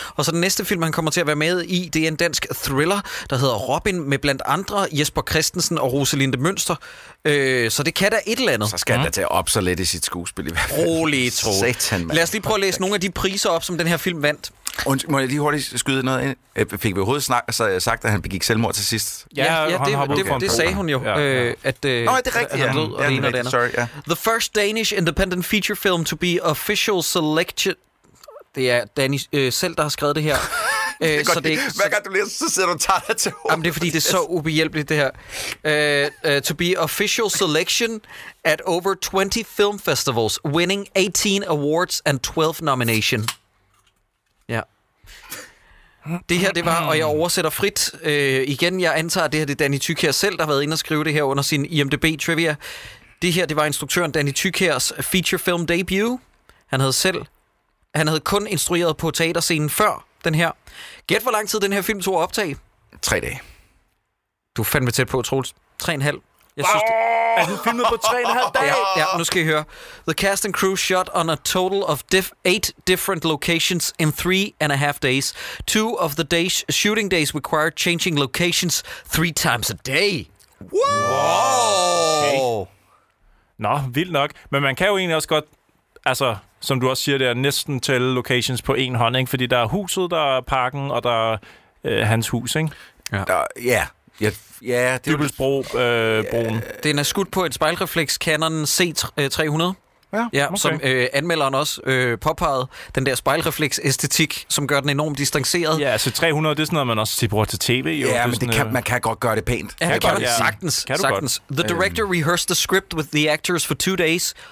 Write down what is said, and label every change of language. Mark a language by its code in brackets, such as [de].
[da] Og så den næste film, han kommer til at være med i, det er en dansk thriller, der hedder Robin, med blandt andre Jesper Christensen og Rosalinde Mønster. Så det kan da et eller andet. Så skal han da tage op så let i sit skuespil i hvert fald. Rolig, tro. Satan, lad os lige prøve at læse nogle af de priser op, som den her film vandt. Må jeg lige hurtigt skyde noget ind? Fik vi overhovedet sagt, at han begik selvmord til sidst? Ja, det sagde hun jo. Nå, det er rigtigt. Han lød, og det ene og det andet. Sorry, ja. [en] The first Danish independent feature film to be official selection. [da] Det er Danny selv, der har skrevet det her. Hver gang du læser, så sidder du og tager dig til hovedet. Jamen, det er fordi, det er så ubehjælpeligt, det her. [en] To be official selection at over 20 film festivals, winning 18 awards and 12 nomination. [da] Ja. Det her, det var, og jeg oversætter frit. Igen, jeg antager, at det her, det er Danny Tykjær selv, der har været inde og skrive det her under sin IMDb trivia. Det her, det var instruktøren Danny Tykjærs feature film debut. Han havde kun instrueret på teaterscenen før den her. Gæt, hvor lang tid den her film tog at optage? 3 dage. Du er fandme tæt på, Troels. 3,5. Jeg synes, er den filmet på 3,5 dage? Ja, nu skal I høre. [en] The cast and crew shot on a total of 8 different locations in 3.5 days. 2 of the days, shooting days required changing locations 3 times a day. Whoa! Okay. [da] Nå, vildt nok. Men man kan jo egentlig også godt... Altså, som du også siger, det er næsten tælle locations på en hånd, ikke? Fordi der er huset, der er parken, og der er hans hus, ikke? Ja. Ja. Dybelsbro, broen. Den er skudt på et spejlrefleks Canon C300. Ja, okay. Som anmelderen også påpegede, den der spejlrefleks-æstetik, som gør den enormt distanceret. Ja, altså 300, det er sådan noget, man også bruger til tv. Ja, jo, men man kan godt gøre det pænt. Ja, kan man sagtens. Kan du sagtens. Godt. [en] The director rehearsed the script with the actors for 2 days.